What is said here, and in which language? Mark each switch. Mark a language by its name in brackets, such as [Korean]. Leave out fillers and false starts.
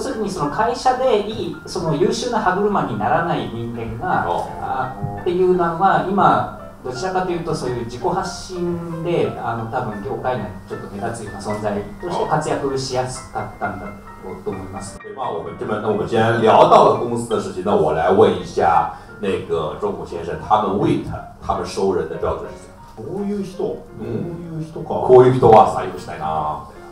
[Japanese] 要するにその会社でいいその優秀な歯車にならない人間がっていうのは、今どちらかというとそういう自己発信で多分業界内ちょっと目立つような存在として活躍しやすかったんだと思います。 [Chinese] まあ、我们今天聊到了公司的事情，那我来问一下那个中谷先生，他们收人的标准是什么？ [Japanese] こういう人、こういう人か、こういう人は採用したいな。